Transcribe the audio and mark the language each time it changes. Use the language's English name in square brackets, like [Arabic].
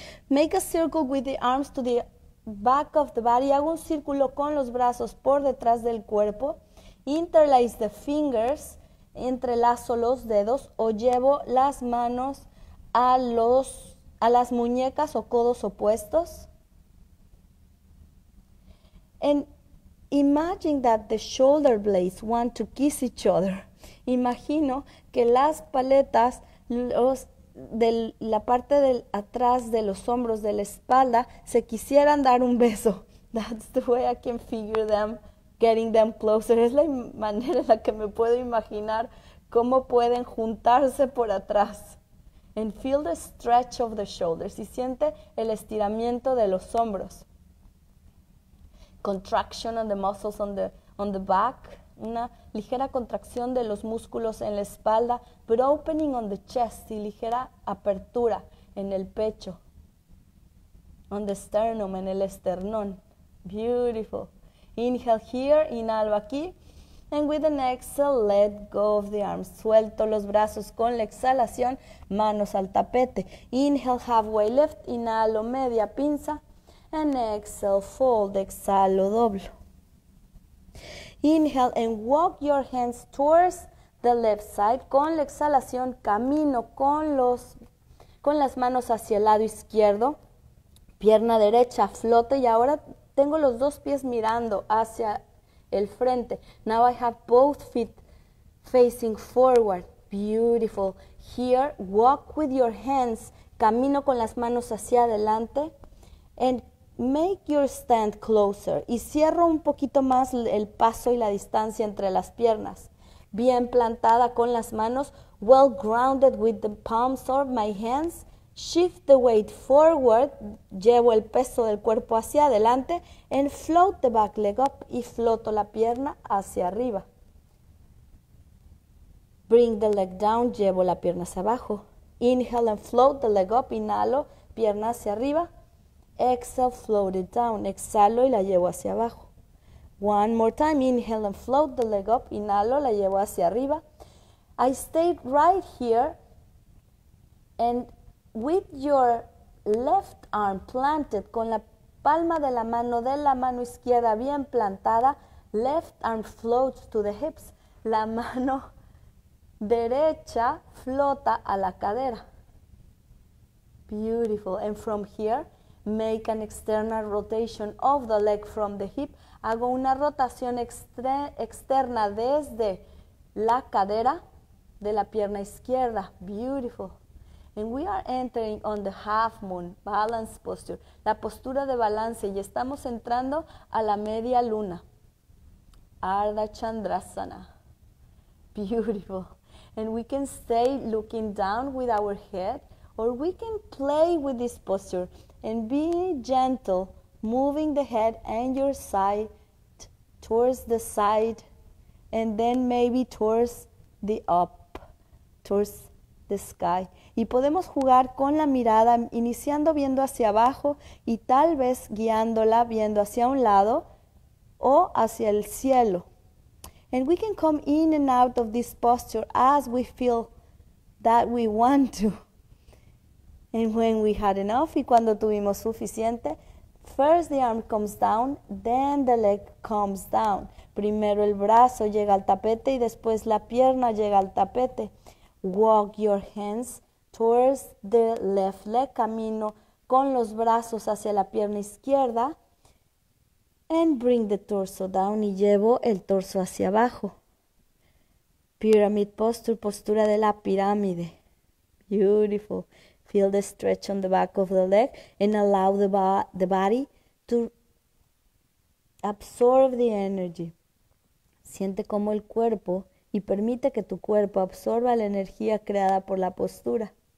[English] Make a circle with the arms to the back of the body. [Spanish] Hago un círculo con los brazos por detrás del cuerpo. [English] Interlace the fingers, [Spanish] entrelazo los dedos o llevo las manos a las muñecas o codos opuestos. [English] And imagine that the shoulder blades want to kiss each other. [Spanish] Imagino que las paletas la parte del atrás de los hombros de la espalda se quisieran dar un beso. [English] That's the way I can figure them getting them closer. [Spanish] Es la manera en la que me puedo imaginar cómo pueden juntarse por atrás. [English] And feel the stretch of the shoulders. [Spanish] Y siente el estiramiento de los hombros. [English] Contraction on the muscles on the back. [Spanish] Una ligera contracción de los músculos en la espalda. [English] But opening on the chest. [Spanish] Y ligera apertura en el pecho. [English] On the sternum, [Spanish] en el esternón. [English] Beautiful. Inhale here, [Spanish] inhalo aquí, [English] and with an exhale, let go of the arms. [Spanish] Suelto los brazos con la exhalación, manos al tapete. [English] Inhale, halfway lift, [Spanish] inhalo, media pinza, [English] and exhale, fold, [Spanish] exhalo, doblo. [English] Inhale and walk your hands towards the left side. [Spanish] Con la exhalación, camino con las manos hacia el lado izquierdo, pierna derecha, flote y ahora Tengo los dos pies mirando hacia el frente. [English] Now I have both feet facing forward. Beautiful. Here, walk with your hands. [Spanish] Camino con las manos hacia adelante. [English] And make your stand closer. [Spanish] Y cierro un poquito más el paso y la distancia entre las piernas. Bien plantada con las manos. [English] Well grounded with the palms of my hands. Shift the weight forward. [Spanish] Llevo el peso del cuerpo hacia adelante. [English] And float the back leg up. [Spanish] Y floto la pierna hacia arriba. [English] Bring the leg down. [Spanish] Llevo la pierna hacia abajo. [English] Inhale and float the leg up. [Spanish] Inhalo, pierna hacia arriba. [English] Exhale, float it down. [Spanish] Exhalo y la llevo hacia abajo. [English] One more time. Inhale and float the leg up. [Spanish] Inhalo, la llevo hacia arriba. [English] I stay right here. And with your left arm planted, [Spanish] con la palma de la mano de la mano izquierda bien plantada, [English] left arm floats to the hips. [Spanish] La mano derecha flota a la cadera. Beautiful. [English] And from here, make an external rotation of the leg from the hip. [Spanish] Hago una rotación externa desde la cadera de la pierna izquierda. [English] Beautiful. And we are entering on the half moon, balance posture, [Spanish] la postura de balance, y estamos entrando a la media luna, [English] Ardha Chandrasana. Beautiful. And we can stay looking down with our head, or we can play with this posture and be gentle, moving the head and your side towards the side, and then maybe towards the up, towards the sky. [Spanish] Y podemos jugar con la mirada, iniciando viendo hacia abajo y tal vez guiándola viendo hacia un lado o hacia el cielo. [English] And we can come in and out of this posture as we feel that we want to. And when we had enough, [Spanish] y cuando tuvimos suficiente, [English] first the arm comes down, then the leg comes down. [Spanish] Primero el brazo llega al tapete y después la pierna llega al tapete. [English] Walk your hands towards the left leg. [Spanish] Camino con los brazos hacia la pierna izquierda. [English] And bring the torso down [Spanish] y llevo el torso hacia abajo. [English] Pyramid posture, [Spanish] postura de la pirámide. Beautiful. [English] Feel the stretch on the back of the leg and allow the body to absorb the energy. [Spanish] Siente cómo el cuerpo y permite que tu cuerpo absorba la energía creada por la postura.